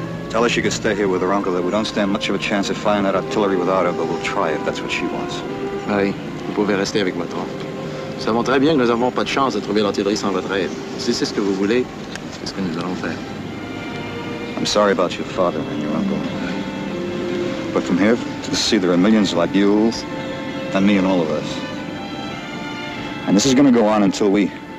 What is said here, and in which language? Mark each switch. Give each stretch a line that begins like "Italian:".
English: Tell her she could stay here with her uncle, that we don't stand much of a chance of firing that artillery without her, but we'll try if that's what she wants.
French: Marie, vous pouvez rester avec ma tante. Nous savons très bien que nous n'avons pas de chance de trouver l'artillerie sans votre aide. Si c'est ce que vous voulez, c'est ce que nous allons faire.
English: I'm sorry about your father and your uncle. But from here to the sea, there are millions like you and me and all of us. And this is going to go on until we...